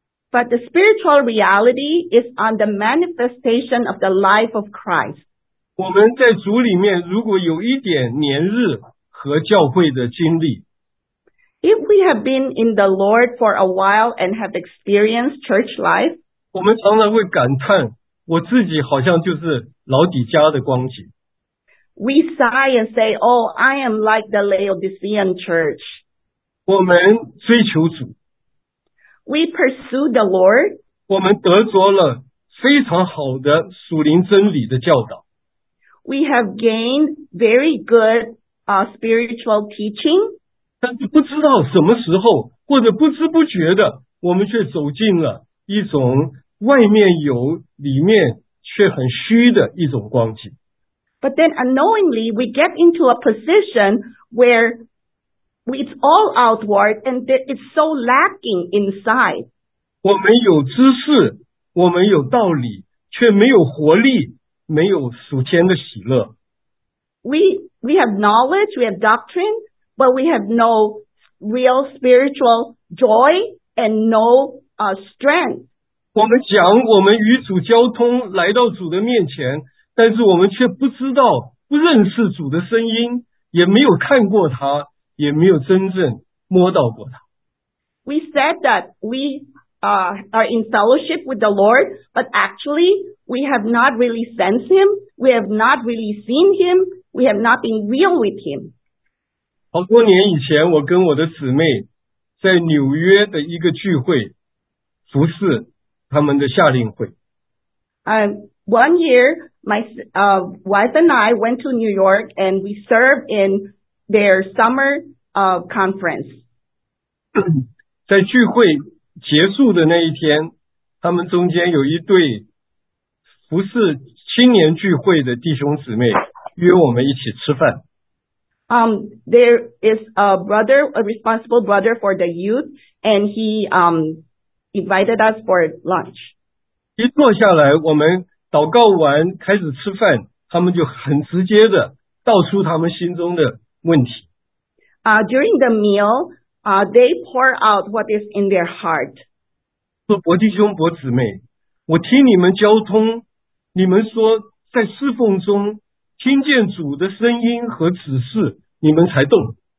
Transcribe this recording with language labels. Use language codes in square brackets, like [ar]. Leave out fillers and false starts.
[en] But the spiritual reality is on the manifestation of the life of Christ. [zh] 我们在主里面如果有一点年日和教会的经历。 [en] If we have been in the Lord for a while and have experienced church life, [zh] 我们常常会感叹，我自己好像就是老底家的光景。 [en] We sigh and say, oh, I am like the Laodicean church. [zh] 我们追求主。 [en] We pursue the Lord. [zh] 我们得着了非常好的属灵真理的教导。 [en] We have gained very good spiritual teaching. [zh] 但是不知道什么时候，或者不知不觉的，我们却走进了一种外面有，里面却很虚的一种光景。 [en] But then unknowingly, we get into a position where... It's all outward and it's so lacking inside. [zh] 我们有知识，我们有道理，却没有活力，没有属天的喜乐。 [en] We have knowledge, we have doctrine, but we have no real spiritual joy and no strength. [zh] 我们讲我们与主交通，来到主的面前，但是我们却不知道，不认识主的声音，也没有看过他。也没有真正摸到过他。 [en] We said that we are in fellowship with the Lord, but actually we have not really sensed Him, we have not really seen Him, we have not been real with Him. [zh] 好多年以前，我跟我的姊妹在纽约的一个聚会服侍他们的夏令会。 [en] One year, my wife and I went to New York and we served in. Their summer conference. [zh] 在聚会结束的那一天，他们中间有一对服侍青年聚会的弟兄姊妹约我们一起吃饭。 [en] There is a brother, a responsible brother for the youth, and he invited us for lunch. [zh] 一坐下来，我们祷告完开始吃饭，他们就很直接的道出他们心中的。问题。 [en] During the meal, they pour out what is in their heart. [zh] 说伯弟兄伯姊妹，我听你们交通，你们说在侍奉中听见主的声音和指示，你们才动。